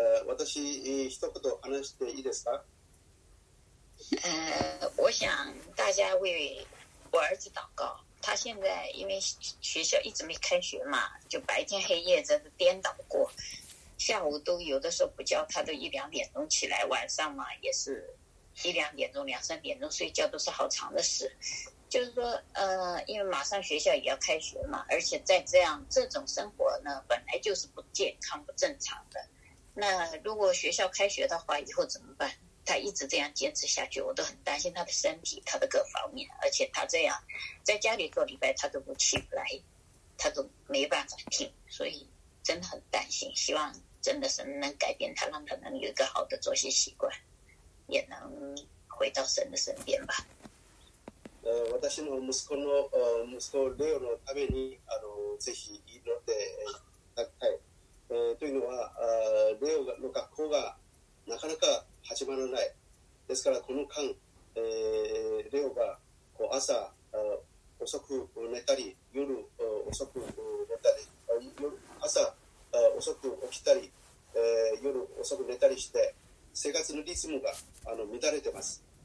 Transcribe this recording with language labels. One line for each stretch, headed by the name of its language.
Japanese: 私一言話していいですか？
Chinese: 我想大家为我儿子祷告，他现在因为学校一直没开学嘛，就白天黑夜真的颠倒过，下午都有的时候不叫他都一两点钟起来，晚上嘛也是一两点钟两三点钟睡觉，都是好长的事。就是说因为马上学校也要开学嘛，而且在这种生活呢本来就是不健康不正常的，那如果学校开学的话以后怎么办？他一直这样坚持下去，我都很担心他的身体，他的各方面，而且他这样在家里做礼拜他都不起不来，他都没办法听，所以真的很担心，希望真的神能改变他，让他能有一个好的作息习惯，也能回到神的身边吧。
Japanese: 私の息子の息子レオのためにぜひ祈っていただきたい。というのはレオの学校がなかなか始まらない。ですからこの間、レオがこう朝遅く寝たり夜遅く寝たり朝遅く起きたり、夜遅く寝たりして生活のリズムが乱れてます。